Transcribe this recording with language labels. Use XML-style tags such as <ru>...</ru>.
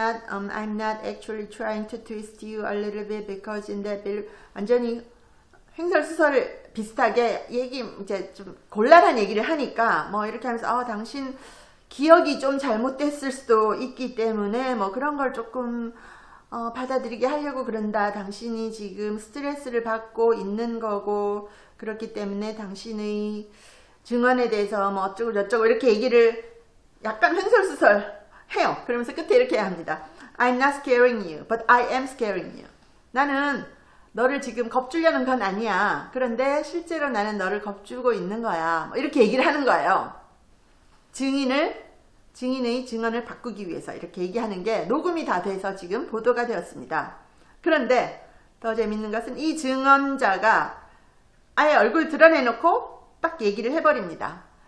<en>I'm not actually trying to twist you a little bit because in that bill</en> <ko>완전히 횡설수설 비슷하게 얘기 이제 좀 곤란한 얘기를 하니까 뭐 이렇게 하면서 당신 기억이 좀 잘못됐을 수도 있기 때문에 뭐 그런 걸 조금 받아들이게 하려고 그런다. 당신이 지금 스트레스를 받고 있는 거고 그렇기 때문에 당신의 증언에 대해서 뭐 어쩌고 저쩌고 이렇게 얘기를 약간 횡설수설 해요. 그러면서 끝에 이렇게 합니다.</ko> <en>I'm not scaring you, but I am scaring you.</en> <ko>나는 너를 지금 겁주려는 건 아니야. 그런데 실제로 나는 너를 겁주고 있는 거야. 뭐 이렇게 얘기를 하는 거예요. 증인의 증언을 바꾸기 위해서 이렇게 얘기하는 게 녹음이 다 돼서 지금 보도가 되었습니다. 그런데 더 재밌는 것은 이 증언자가 아예 얼굴 드러내놓고 딱 얘기를 해버립니다.</ko>